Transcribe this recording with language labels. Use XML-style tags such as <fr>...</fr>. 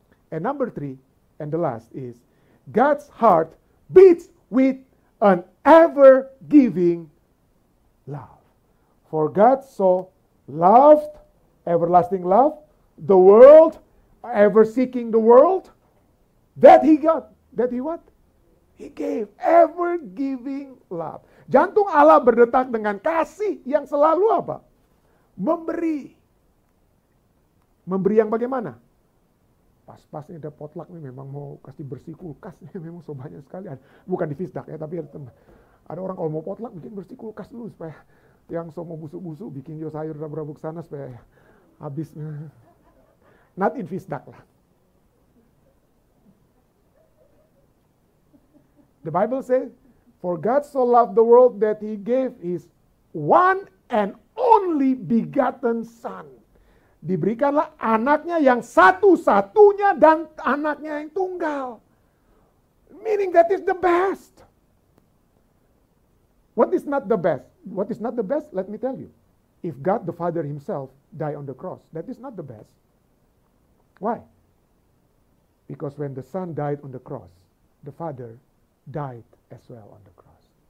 <en>And number three, and the last is, God's heart beats with an ever giving love. For God so loved, everlasting love, the world, ever seeking the world, that he got, that he what? He gave, ever giving love.</en> <id>Jantung Allah berdetak dengan kasih yang selalu apa? Memberi. Memberi yang bagaimana? Pas-pas ini ada potluck nih, memang mau kasih bersih kulkas. Memang so banyak sekali. Bukan di Fisdak ya, tapi ada orang kalau mau potluck, bikin bersih kulkas dulu supaya yang so mau busuk-busuk, bikin yo sayur rabuk-rabuk sana supaya habis.</id> <en>Not in Fisdak lah. The Bible says, for God so loved the world that he gave his one and only begotten son.</en> <id>Diberikanlah anaknya yang satu-satunya dan anaknya yang tunggal.</id> <en>Meaning that is the best. What is not the best? What is not the best? Let me tell you. If God the Father himself died on the cross, that is not the best. Why? Because when the Son died on the cross, the Father died as well on the cross.</en>